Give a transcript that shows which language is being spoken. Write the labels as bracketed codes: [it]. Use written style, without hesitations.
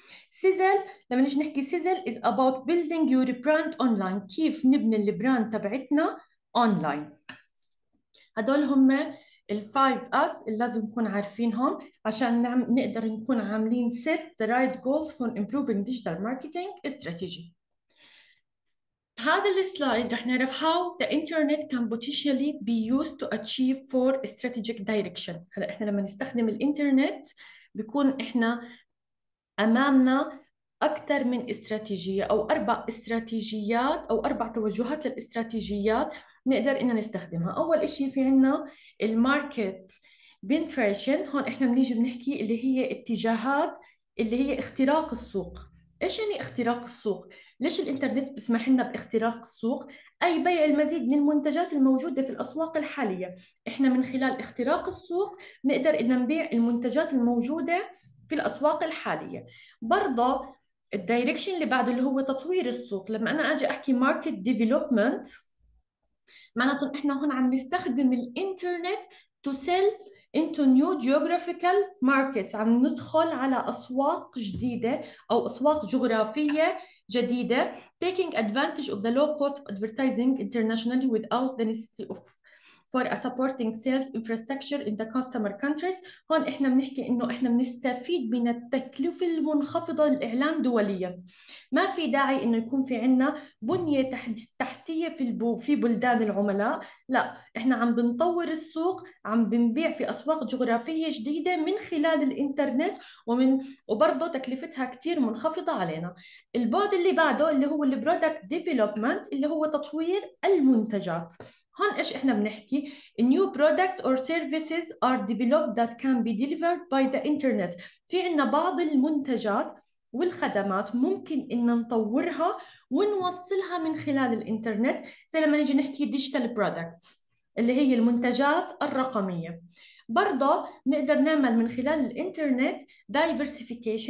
[ar] سيزل، لما نيجي نحكي سيزل [en] is about building your brand online، [ar] كيف نبني البراند تبعتنا أونلاين. هدول هم الفايف اس اللي لازم نكون عارفينهم عشان نقدر نكون عاملين [en] set the right goals for improving digital marketing strategy. [ar] هذا السلايد رح نعرف [en] how the internet can potentially be used to achieve for strategic direction. [ar] هلا احنا لما نستخدم الانترنت بكون احنا امامنا اكثر من استراتيجيه او اربع استراتيجيات او اربع توجهات للاستراتيجيات نقدر إننا نستخدمها. أول إشي في عنا الماركت بينتريشن، هون إحنا بنيجي بنحكي اللي هي اتجاهات اللي هي اختراق السوق. إيش يعني اختراق السوق؟ ليش الإنترنت بيسمح لنا باختراق السوق؟ أي بيع المزيد من المنتجات الموجودة في الأسواق الحالية. إحنا من خلال اختراق السوق نقدر إننا نبيع المنتجات الموجودة في الأسواق الحالية. برضه الدايركشن اللي بعده اللي هو تطوير السوق. لما أنا أجي أحكي ماركت ديفلوبمنت، معناته احنا هون عم نستخدم الانترنت [en] to sell into new geographical markets، [ar] عم ندخل على اسواق جديده او اسواق جغرافيه جديده. [en] taking advantage of the low cost of advertising internationally without the necessity of for a supporting sales infrastructure in the customer countries. [ar] هون احنا بنحكي انه احنا بنستفيد من التكلفه المنخفضه للاعلان دوليا. ما في داعي انه يكون في عنا بنيه تحتيه في بلدان العملاء، لا، احنا عم بنطور السوق، عم بنبيع في اسواق جغرافيه جديده من خلال الانترنت، ومن وبرضه تكلفتها كثير منخفضه علينا. البعد اللي بعده اللي هو البرودكت ديفلوبمنت اللي هو تطوير المنتجات. هون ايش احنا بنحكي؟ [en] new products or services are developed that can be delivered by the internet. [ar] في عنا بعض المنتجات والخدمات ممكن ان نطورها ونوصلها من خلال الانترنت، زي لما نيجي نحكي [en] digital products [ar] اللي هي المنتجات الرقميه. برضه نقدر نعمل من خلال الانترنت [en] diversification.